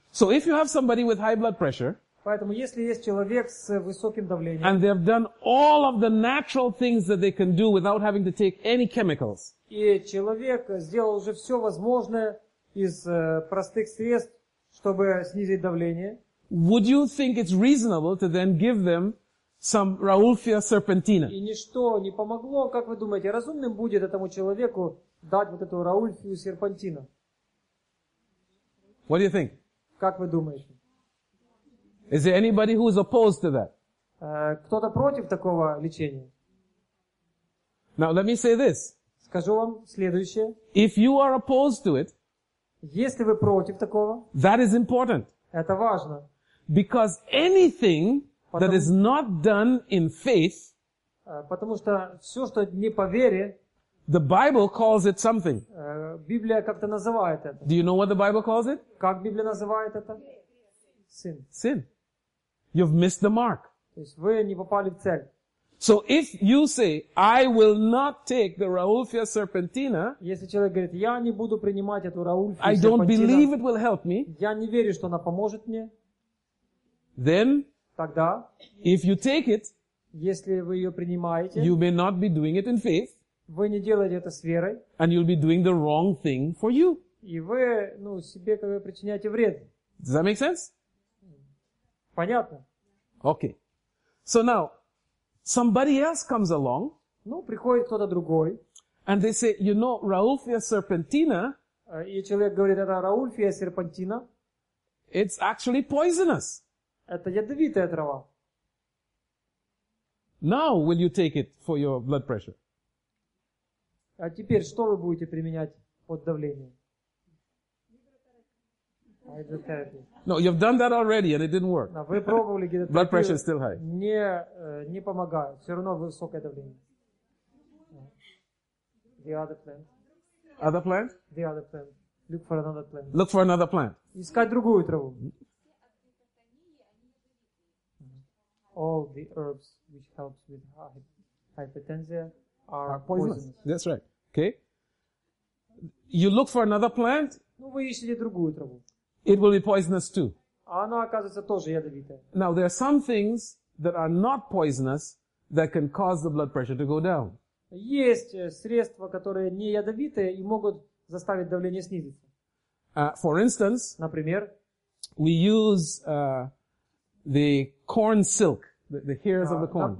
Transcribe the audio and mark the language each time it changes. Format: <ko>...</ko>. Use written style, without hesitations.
<en>So if you have somebody with high blood pressure,</en> <ru>поэтому если есть человек с высоким давлением,</ru> <en>and they have done all of the natural things that they can do without having to take any chemicals,</en> <ru>и человек сделал уже все возможное из простых средств, чтобы снизить давление.</ru> <en>Would you think it's reasonable to then give them some Raulfia serpentina?</en> <ru>И ничто не помогло. Как вы думаете, разумным будет этому человеку дать вот эту Raulfia serpentina?</ru> <en>What do you think?</en> <ru>Как вы думаете?</ru> <en>Is there anybody who is opposed to that?</en> <ru>Кто-то против такого лечения?</ru> <en>Now let me say this.</en> <ru>Скажу вам следующее.</ru> <en>If you are opposed to it,</en> <ru>если вы против такого,</ru> <en>that is important.</en> <ru>Это важно.</ru> <en>Because anything that is not done in faith,</en> <ru>потому что все, что не по вере,</ru> <en>the Bible calls it something.</en> <ru>Библия как-то называет это.</ru> <en>Do you know what the Bible calls it?</en> <ru>Как Библия называет это?</ru> <en>Sin. Sin. You've missed the mark.</en> <ru>То есть вы не попали в цель.</ru> <en>So if you say, I will not take the Raulfia serpentina,</en> <ru>если человек говорит, я не буду принимать эту Raulfia serpentina,</ru> <en>I don't believe it will help me,</en> <ru>я не верю, что она поможет мне,</ru> <en>then,</en> <ru>тогда,</ru> <en>if you take it,</en> <ru>если вы ее принимаете,</ru> <en>you may not be doing it in faith,</en> <ru>вы не делаете это с верой,</ru> <en>and you'll be doing the wrong thing for you.</en> <ru>И вы, ну, себе как бы причиняете вред.</ru> <en>Does that make sense?</en> <ru>Понятно.</ru> <en>Okay. So now, somebody else comes along.</en> <ru>Ну, приходит кто-то другой.</ru> <en>And they say, you know, Raulfia serpentina.</en> <ru>И человек говорит, это Raulfia serpentina.</ru> <en>It's actually poisonous.</en> <ru>Это ядовитая трава.</ru> <en>Now will you take it for your blood pressure?</en> <ru>А теперь что вы будете применять под давлением?</ru> <en>No, you've done that already and it didn't work.</en> <ru>Вы пробовали гидротерапию.</ru> <en>Blood pressure is still high.</en> <ru>Не помогает. Все равно высокое давление.</ru> <en>The other plant. Other plant? The other plant. Look for another plant. Look for another plant.</en> <ru>Искать другую траву.</ru> <en>All the herbs which helps with hypertension are poisonous. That's right. Okay. You look for another plant?</en> <ru>Ну, вы ищете другую траву.</ru> <en>It will be poisonous too.</en> <ru>Она, оказывается, тоже ядовитая.</ru> <en>Now there are some things that are not poisonous that can cause the blood pressure to go down.</en> <ru>Есть средства, которые не ядовитые и могут заставить давление снизиться.</ru> <en>For instance,</en> <ru>например,</ru> <en>we use the corn silk, the hairs of the corn.</en>